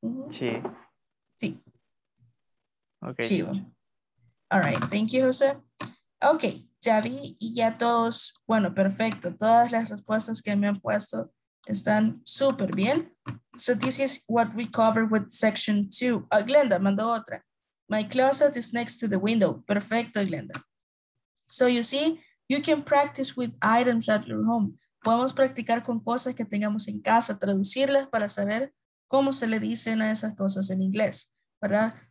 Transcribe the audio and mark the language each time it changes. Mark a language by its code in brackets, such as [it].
[es] Sí. Sí. Ok. Chivo. [en] All right, thank you, [es] Jose. Ok, ya vi y ya todos, bueno, perfecto. Todas las respuestas que me han puesto están súper bien. [en] So this is what we covered with section 2. [es] Glenda mandó otra. [en] My closet is next to the window. Perfecto, Glenda. So you see, you can practice with items at your home. [es] Podemos practicar con cosas que tengamos en casa, traducirlas para saber cómo se le dicen a esas cosas en inglés, ¿verdad?